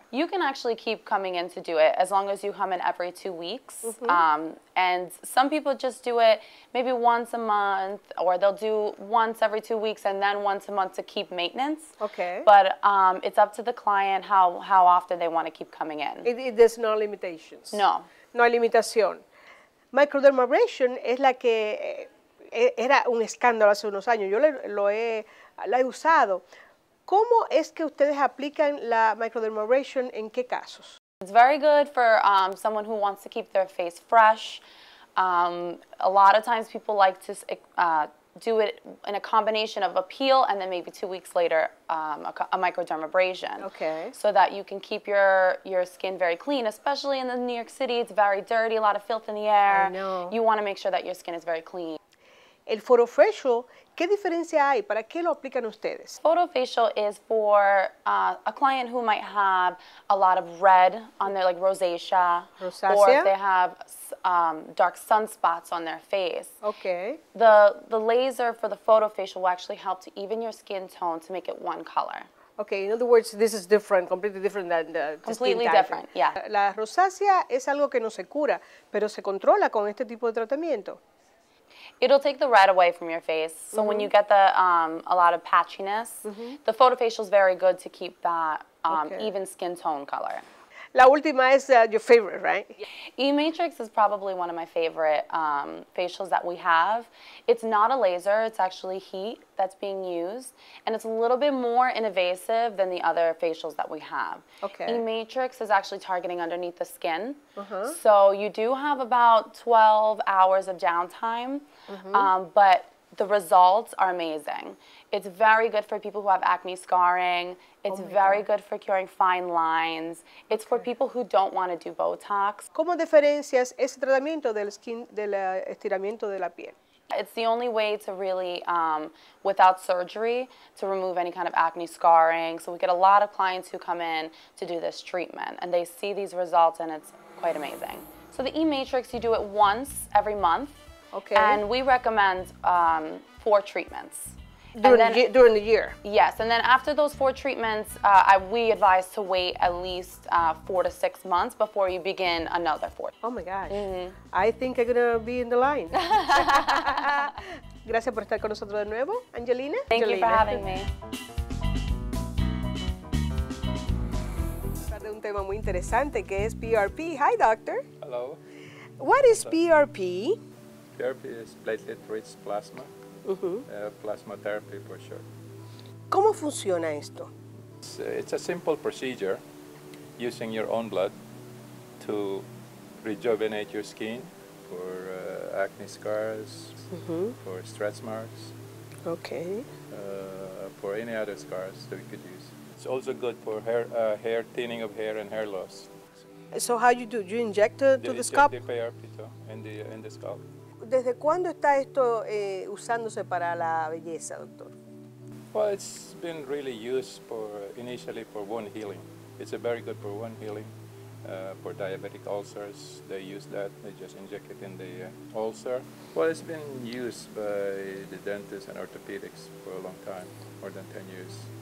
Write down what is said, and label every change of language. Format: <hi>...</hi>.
<en>You can actually keep coming in to do it as long as you come in every 2 weeks. Mm-hmm. And some people just do it maybe once a month, or they'll do once every 2 weeks and then once a month to keep maintenance. Okay. But it's up to the client how often they want to keep coming in. There's no limitations? No.</en> <es>No hay limitación. Microdermabrasion es la que era un escándalo hace unos años. Yo la he usado. ¿Cómo es que ustedes aplican la microdermabrasion? ¿En qué casos?</es> <en>It's very good for someone who wants to keep their face fresh. A lot of times people like to do it in a combination of a peel and then maybe 2 weeks later a microdermabrasion. Okay. So that you can keep your skin very clean, especially in the New York City. It's very dirty, a lot of filth in the air. I know. You want to make sure that your skin is very clean.</en> <es>El Photo Facial, ¿qué diferencia hay? ¿Para qué lo aplican ustedes?</es> <en>Photo Facial is for a client who might have a lot of red on their, like rosacea. Rosacea. Or if they have dark sunspots on their face. Okay. The laser for the Photo Facial will actually help to even your skin tone to make it one color. Okay, in other words, this is different, completely different than the completely different, yeah.</en> <es>La rosacea es algo que no se cura, pero se controla con este tipo de tratamiento.</es> <en>It'll take the red away from your face. So mm-hmm. when you get the a lot of patchiness, mm-hmm. the Photo Facial is very good to keep that even skin tone color.</en> <es>La última es</es> <en>your favorite, right? E-Matrix is probably one of my favorite facials that we have. It's not a laser. It's actually heat that's being used. And it's a little bit more invasive than the other facials that we have. Okay. E-Matrix is actually targeting underneath the skin. Uh-huh. So you do have about 12 hours of downtime. Mm-hmm. But the results are amazing. It's very good for people who have acne scarring. It's very good for curing fine lines. It's for people who don't want to do Botox.</en> <es>¿Cómo diferencias ese tratamiento del skin, del estiramiento de la piel?</es> <en>It's the only way to really, without surgery, to remove any kind of acne scarring. So we get a lot of clients who come in to do this treatment, and they see these results, and it's quite amazing. So the E-Matrix, you do it once every month. Okay. And we recommend 4 treatments. During the year? Yes, and then after those 4 treatments, we advise to wait at least 4 to 6 months before you begin another 4. Oh my gosh, mm-hmm. I think I'm gonna be in the line.</en> <es>Gracias por estar con nosotros de nuevo, Angelina.</es> <en>Thank you for having me.</en> <es>Vamos a hablar de un tema muy interesante que es PRP.</es> <en>Hi, doctor. Hello. What is PRP? PRP is platelet-rich plasma. Uh-huh. Plasma therapy for sure.</en> <es>¿Cómo funciona esto?</es> <en>It's a simple procedure using your own blood to rejuvenate your skin for acne scars, uh-huh. for stretch marks. Okay. For any other scars that we could use. It's also good for hair thinning of hair and hair loss. So how you do? Do you inject it to the scalp? The PRP too, in the scalp.</en> <es>¿Desde cuándo está esto usándose para la belleza, doctor?</es> <en>Well, it's been really used initially for wound healing. It's a very good for wound healing. For diabetic ulcers, they use that. They just inject it in the ulcer. Well, it's been used by the dentists and orthopedics for a long time, more than 10 years.</en>